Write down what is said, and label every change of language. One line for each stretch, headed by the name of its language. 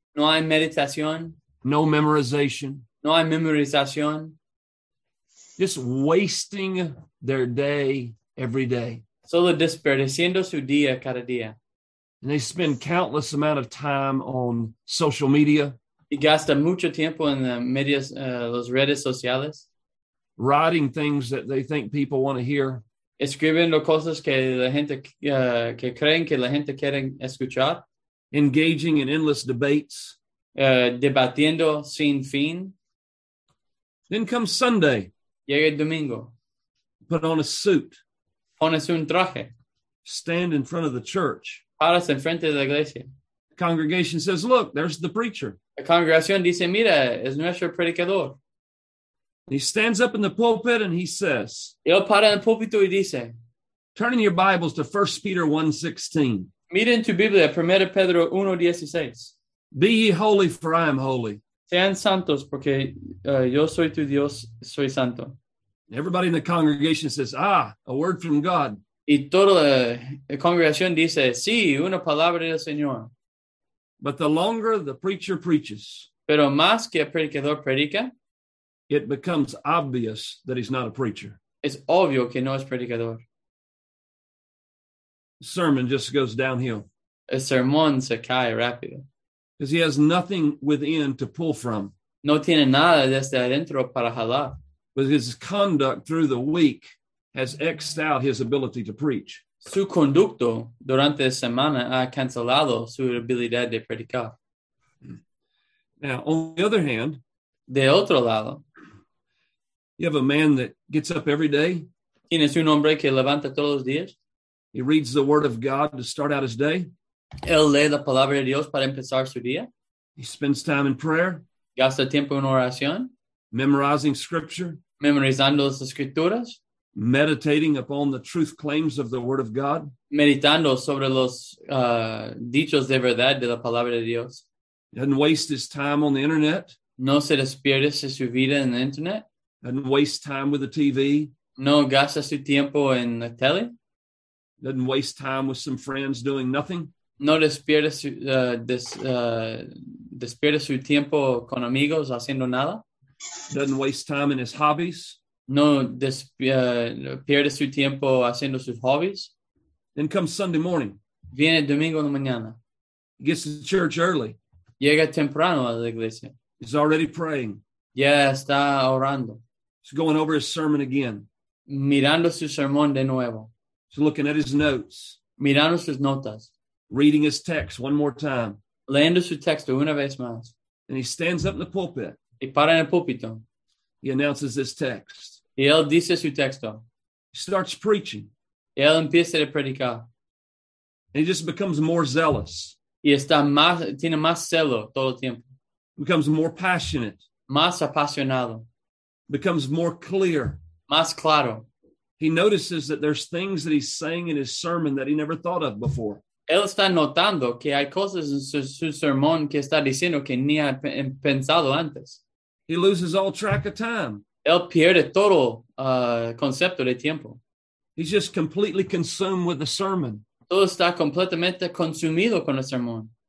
Spanish: No hay meditación.
English: No memorization.
Spanish: No hay memorización.
English: Just wasting their day every day.
Spanish: Solo desperdiciando su día cada día.
English: And they spend countless amount of time on social media.
Spanish: Y gasta mucho tiempo en las redes sociales.
English: Writing things that they think people want to hear.
Spanish: Escribiendo cosas que la gente que creen que la gente quieren escuchar.
English: Engaging in endless debates.
Spanish: Debatiendo sin fin.
English: Then comes Sunday.
Spanish: Llega el domingo.
English: Put on a suit.
Spanish: Pones un traje.
English: Stand in front of the church.
Spanish: Paras en frente de la iglesia.
English: The congregation says, look, there's the preacher.
Spanish: La congregación dice, mira, es nuestro predicador.
English: He stands up in the pulpit and he says,
Spanish: él para en el púlpito y dice,
English: turn in your Bibles to 1 Peter 1:16.
Spanish: Miren tu Biblia, 1 Pedro 1:16.
English: Be ye holy, for I am holy.
Spanish: Sean santos, porque yo soy tu Dios, soy santo.
English: Everybody in the congregation says, ah, a word from God.
Spanish: Y toda la congregación dice, sí, una palabra del Señor.
English: But the longer the preacher preaches,
Spanish: pero más que el predicador predica,
English: it becomes obvious that he's not a preacher.
Spanish: Es obvio que no es predicador.
English: The sermon just goes downhill.
Spanish: El sermón se cae rápido.
English: Because he has nothing within to pull from.
Spanish: No tiene nada desde adentro para jalar.
English: But his conduct through the week has X'd out his ability to preach.
Spanish: Su conducto durante la semana ha cancelado su habilidad de predicar.
English: Now, on the other hand,
Spanish: de otro lado,
English: you have a man that gets up every day.
Spanish: Tienes un hombre que levanta todos los días.
English: He reads the word of God to start out his day.
Spanish: Él lee la palabra de Dios para empezar su día.
English: He spends time in prayer.
Spanish: Gasta tiempo en oración.
English: Memorizing scripture.
Spanish: Memorizando las escrituras.
English: Meditating upon the truth claims of the word of God.
Spanish: Meditando sobre los dichos de verdad de la palabra de Dios.
English: Doesn't waste his time on the internet.
Spanish: No se desperdicia su vida en el internet.
English: Doesn't waste time with the TV.
Spanish: No gasta su tiempo en la tele.
English: Doesn't waste time with some friends doing nothing.
Spanish: No despierta su, despierta su tiempo con amigos haciendo nada.
English: Doesn't waste time in his hobbies.
Spanish: No pierde su tiempo haciendo sus hobbies.
English: Then comes Sunday morning.
Spanish: Viene el domingo en la mañana.
English: He gets to church early.
Spanish: Llega temprano a la iglesia.
English: He's already praying.
Spanish: Ya está orando.
English: He's going over his sermon again.
Spanish: Mirando su sermón de nuevo.
English: He's looking at his notes.
Spanish: Mirando sus notas.
English: Reading his text one more time.
Spanish: Leyendo su texto una vez más.
English: And he stands up in the pulpit.
Spanish: Y para en el púlpito.
English: He announces this text.
Spanish: Y él dice su texto.
English: He starts preaching.
Spanish: Y él empieza a predicar.
English: And he just becomes more zealous.
Spanish: Y está más, tiene más celo todo el tiempo.
English: Becomes more passionate.
Spanish: Más apasionado.
English: Becomes more clear.
Spanish: Más claro.
English: He notices that there's things that he's saying in his sermon that he never thought of before.
Spanish: Él está notando que hay cosas en su sermón que está diciendo que ni ha pensado antes.
English: He loses all track of time.
Spanish: Él pierde todo concepto de tiempo.
English: He's just completely consumed with the sermon.
Spanish: Todo está completamente consumido con el sermón.